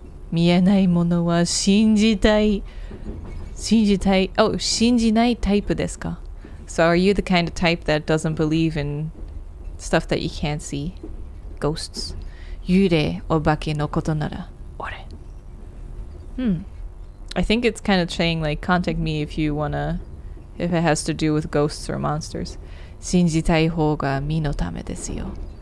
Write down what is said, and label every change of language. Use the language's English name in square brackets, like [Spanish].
[Japanese] 見えないものは信じないタイプですか? [English] So are you the kind of type that doesn't believe in stuff that you can't see? Ghosts. [Japanese] 幽霊、お化けのことなら、俺。 [English] I think it's kind of saying like, contact me if you wanna... If it has to do with ghosts or monsters. [Japanese] 信じたい方が身のためですよ。